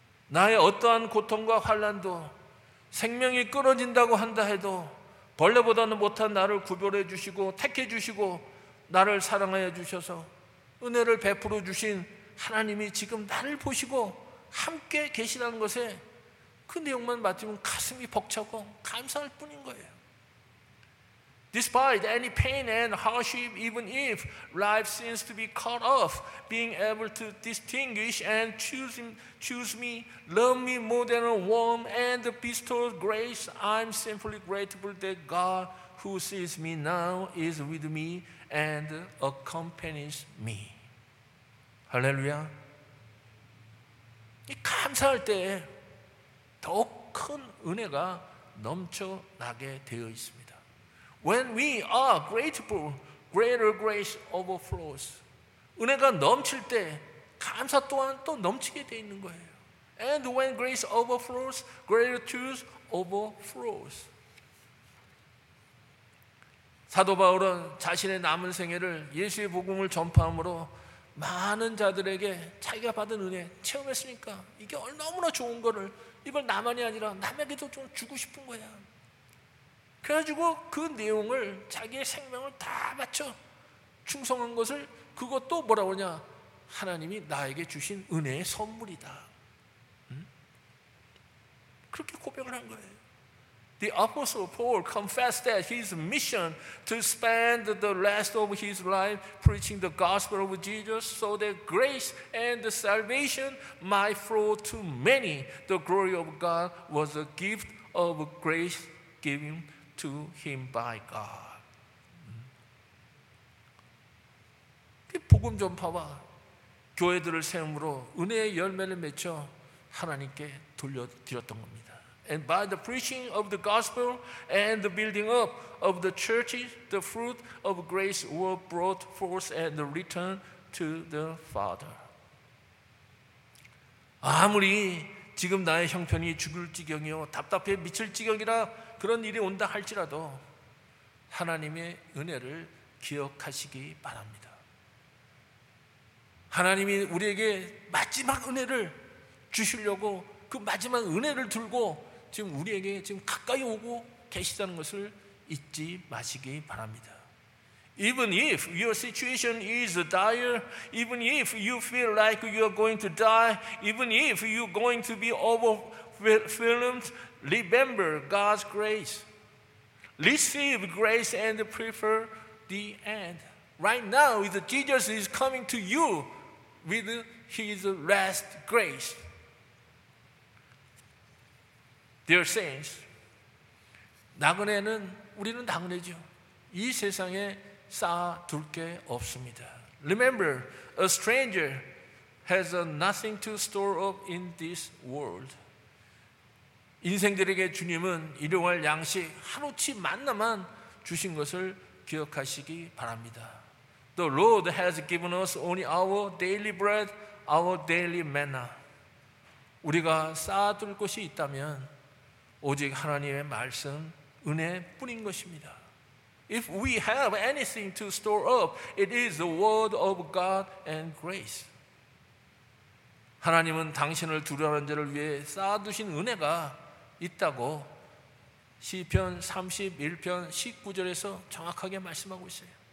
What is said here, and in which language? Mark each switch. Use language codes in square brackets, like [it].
[ko] 나의 어떠한 고통과 환난도 생명이 끊어진다고 한다 해도 벌레보다는 못한 나를 구별해 주시고 택해 주시고 나를 사랑하여 주셔서 은혜를 베풀어 주신 하나님이 지금 나를 보시고 함께 계시다는 것에 그 내용만 맞으면 가슴이 벅차고 감사할 뿐인 거예요. [en] Despite any pain and hardship, even if life seems to be cut off, being able to distinguish and choose me, love me more than a worm, and bestow grace, I'm simply grateful that God, who sees me now, is with me and accompanies me. Hallelujah. [ko] 이 감사할 때 더 큰 은혜가 넘쳐나게 되어 있습니다. [en] When we are grateful, greater grace overflows. [ko] 은혜가 넘칠 때 감사 또한 또 넘치게 돼 있는 거예요. [en] And when grace overflows, gratitude overflows. [ko] 사도 바울은 자신의 남은 생애를 예수의 복음을 전파함으로 많은 자들에게 자기가 받은 은혜 체험했으니까 이게 얼마나 좋은 거를 이걸 나만이 아니라 남에게도 좀 주고 싶은 거야. 그래가지고 그 내용을 자기의 생명을 다 바쳐 충성한 것을 그것도 뭐라고 그러냐? 하나님이 나에게 주신 은혜의 선물이다. 그렇게 고백을 한 거예요. [en] The Apostle Paul confessed that his mission to spend the rest of his life preaching the gospel of Jesus so that grace and salvation might flow to many. The glory of God was a gift of grace given to him by God. [ko] 복음 전파와 교회들을 세움으로 은혜의 열매를 맺혀 하나님께 돌려드렸던 겁니다. [en] And by the preaching of the gospel and the building up of the churches, the fruit of grace were brought forth and returned to the Father. [ko] 아무리 지금 나의 형편이 죽을 지경이요 답답해 미칠 지경이라 그런 일이 온다 할지라도 하나님의 은혜를 기억하시기 바랍니다. 하나님이 우리에게 마지막 은혜를 주시려고 그 마지막 은혜를 들고 지금 우리에게 지금 가까이 오고 계시다는 것을 잊지 마시기 바랍니다. [en] Even if your situation is dire, even if you feel like you are going to die, even if you're going to be overwhelmed, remember God's grace. Receive grace and prefer the end. Right now, Jesus is coming to you with his last grace. Dear saints, [ko] 나그네는 우리는 나그네죠. 이 세상에 쌓아둘 게 없습니다. [en] Remember, a stranger has nothing to store up in this world. [ko] 인생들에게 주님은 일용할 양식 하루치 만나만 주신 것을 기억하시기 바랍니다. [en] The Lord has given us only our daily bread, our daily manna. [ko] 우리가 쌓아둘 것이 있다면 오직 하나님의 말씀, 은혜뿐인 것입니다. [en] If we have anything to store up, it is the word of God and grace. [ko] 하나님은 당신을 두려워하는 자를 위해 쌓아두신 은혜가 있다고 시편 31편 19절에서 정확하게 말씀하고 있어요.